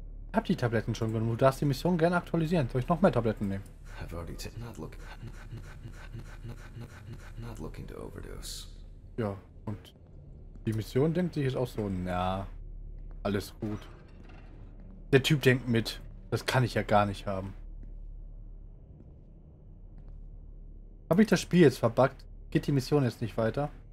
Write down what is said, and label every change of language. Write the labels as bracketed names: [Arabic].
[German] Ich hab die Tabletten schon genommen. Du darfst die Mission gerne aktualisieren. Soll ich noch mehr Tabletten nehmen? [English] I've already taken. Not looking to overdose. [German] Ja, und die Mission denkt sich jetzt auch so, na, alles gut. Der Typ denkt mit, das kann ich ja gar nicht haben. Hab ich das Spiel jetzt verbuggt? Geht die Mission jetzt nicht weiter?